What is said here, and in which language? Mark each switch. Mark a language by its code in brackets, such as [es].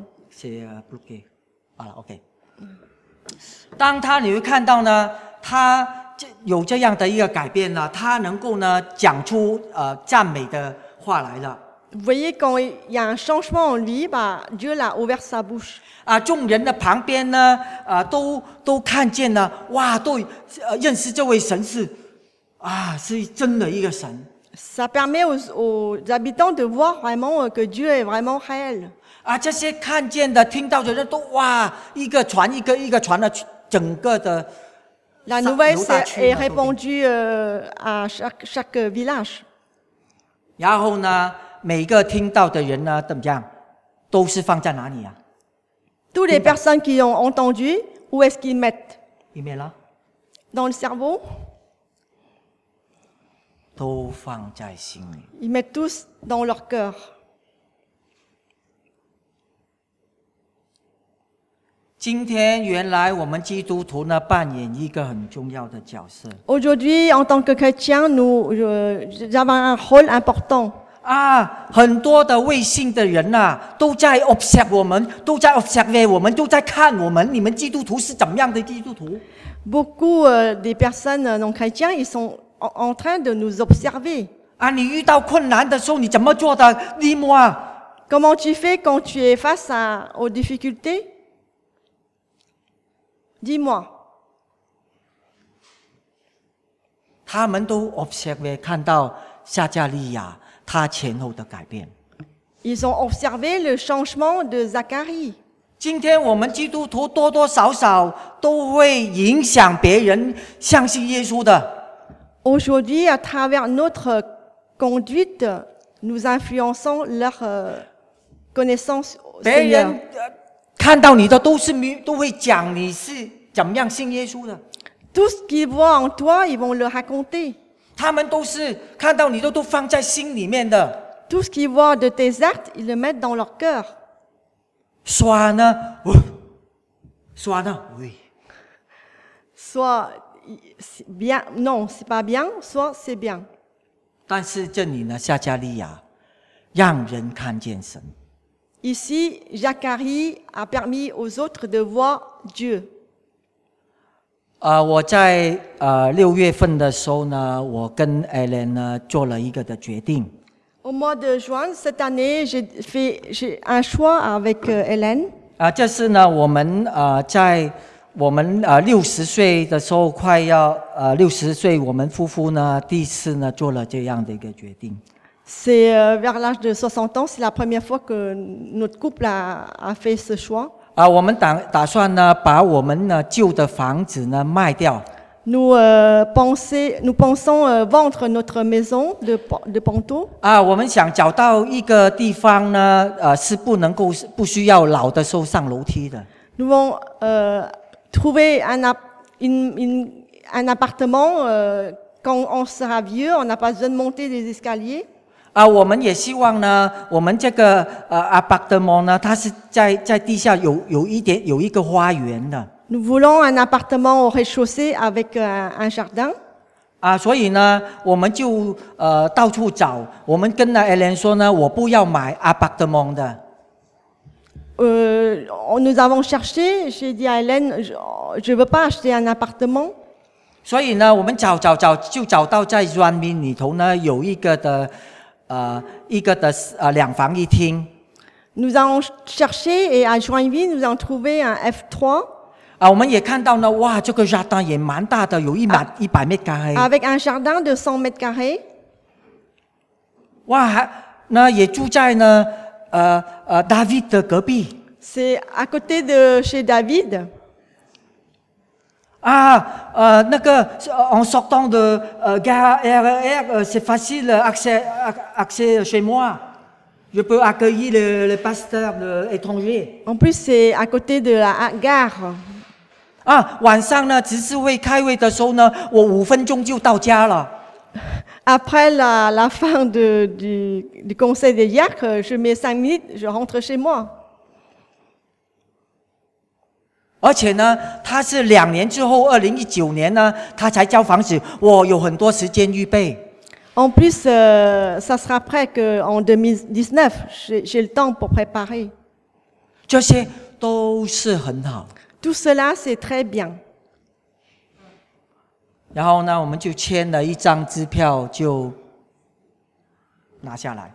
[fr] C'est bloqué. Voilà, OK. [zh] 当他你会看到呢，他有这样的一个改变呢，他能够呢讲出赞美的话来了。 [fr] Vous voyez, quand il y a un changement en lui, bah, Dieu l'a ouvert sa bouche. [zh] 啊，众人的旁边呢，啊，都看见了，哇，都认识这位神是，啊，是真的一个神。 [fr] Ça permet aux habitants de voir vraiment que Dieu est vraiment réel. [zh] 啊，这些看见的、听到的人都哇，一个传一个，一个传了整个的。 [fr] La nouvelle est répandue à chaque village. [zh] 然后呢？每一个听到的人呢，怎么样？都是放在哪里啊 [fr] ？Toutes les personnes qui ont entendu, où est-ce qu'ils mettent？ [zh] 里面啦。 [fr] Dans le cerveau。 [zh] 都放在心里。 [fr] Ils mettent tous dans leur cœur。 [zh] 今天原来我们基督徒呢扮演一个很重要的角色。 [fr] Aujourd'hui, en tant que chrétien, nous avons un rôle important。 [zh] 啊，很多的未信的人呐、啊，都在 observe 我们，都在 observe 我们，都在看我们。你们基督徒是怎么样的基督徒 [fr] ？Beaucoup des personnes non chrétiens, ils sont en train de nous observer. [zh] 啊，你遇到困难的时候，你怎么做的 ？ [fr] Dis-moi. Comment tu fais quand tu es face aux difficultés? Dis-moi. [zh] 他们都 observe 看到撒迦利亚。他前后的改变。 [fr] Ils ont observé le changement de Zacharie. [zh] 今天我们基督徒多多少少都会影响别人相信耶稣的。 [fr] Aujourd'hui, à travers notre conduite, nous influençons leur connaissance. [zh] 别人看到你的都会讲你是怎么样信耶稣的。 [fr] Tout ce qu'ils voient en toi, ils vont le raconter. [zh] 他们都是看到你都放在心里面的。 [fr] Tout ce qu'ils voient de tes actes, ils le mettent dans leur cœur. 刷呢？哦、刷呢？喂、哦。 Soit bien, non, c'est pas bien. Soit c'est bien. [zh] 但是这里呢，撒迦利亚让人看见神。 [fr] Ici, Zacharie a permis aux autres de voir Dieu. [zh] 我在六月份的时候呢，我跟 Alan 呢做了一个的决定。 [fr] Au mois de juin cette année, j'ai un choix avec Alan. [zh] 这是呢，我们在我们六十岁的时候，快要六十岁，我们夫妇呢第一次呢做了这样的一个决定。 [fr] C'est vers l'âge de 60 ans, c'est la première fois que notre couple a fait ce choix. [zh] 我们打算呢把我们呢旧的房子呢卖掉。 [fr] Nous pensons vendre notre maison de Ponto. [zh] 我们想找到一个地方呢是不需要老的时候上楼梯的。 [fr] Nous avons trouver un appartement quand on sera vieux, on n'a pas besoin de monter les escaliers. [zh] 我们也希望呢，我们这个apartment 呢，它是在地下有一个花园的。 [fr] Nous voulons un appartement au rez-de-chaussée avec un jardin. [zh] 所以呢，我们就到处找。我们跟了 Alan 说呢，我不要买 apartment 的。 [fr] Nous avons cherché. J'ai dit à Alan, je veux pas acheter un appartement. [zh] 所以呢，我们找就找到在 Runmin 里头呢有一个的。一个的两房一厅。 [fr] Nous avons cherché et à Joinville nous avons trouvé un F3. [zh] 我们也看到呢，哇，这个 jardin 也蛮大的，有一百米 [fr] Avec un jardin de 100 mètres carrés. 哇， [zh] 那也住在呢David 的隔壁。 [fr] C'est à côté de chez David. Ah, 那个en sortant de gare RER, c'est facile accès chez moi. Je peux accueillir le pasteur étranger. En plus, c'est à côté de la gare. [zh] Ah, 晚上呢，执事会开会的时候呢，我五分钟就到家了。 [fr] Après la fin du conseil des diacres, je mets 5 minutes, je rentre chez moi. [zh] 而且呢，他是两年之后2019年呢，他才交房子，我有很多时间预备。 [fr] En plus, ça sera prêt que en 2019, j'ai le temps pour préparer. [zh] 这些都是很好。 [fr] Tout cela, c'est très bien. [zh] 然后呢，我们就签了一张支票，就拿下来。